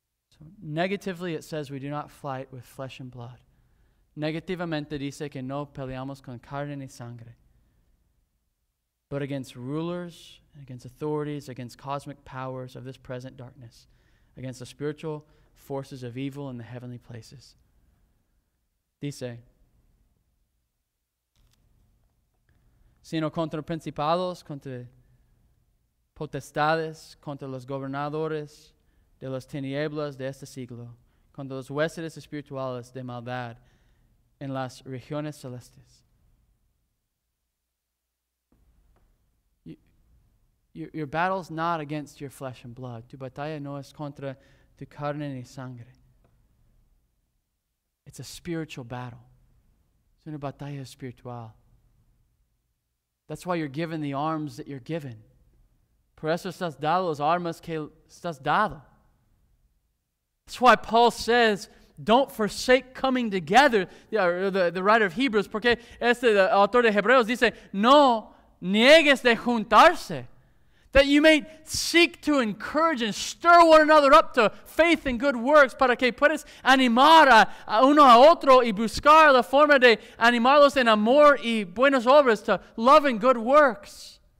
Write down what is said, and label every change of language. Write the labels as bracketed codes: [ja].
[en] So negatively, it says we do not fight with flesh and blood. [es] Negativamente dice que no peleamos con carne ni sangre, [en] but against rulers, against authorities, against cosmic powers of this present darkness, against the spiritual forces of evil in the heavenly places. [es] Dice, sino contra principados, contra potestades, contra los gobernadores de las tinieblas de este siglo, contra los huestes espirituales de maldad en las regiones celestes. [en] Your battle's not against your flesh and blood. [es] Tu batalla no es contra tu carne ni sangre. [en] It's a spiritual battle. [es] Es una batalla espiritual. [en] That's why you're given the arms that you're given. [es] Por eso estás dado las armas que estás dado. [en] That's why Paul says, don't forsake coming together. The writer of Hebrews, [es] porque the autor de Hebreos dice, no niegues de juntarse. [en] That you may seek to encourage and stir one another up to faith and good works, [es] para que puedas animar a uno a otro y buscar la forma de animarlos en amor y buenas obras, [en] to love and good works.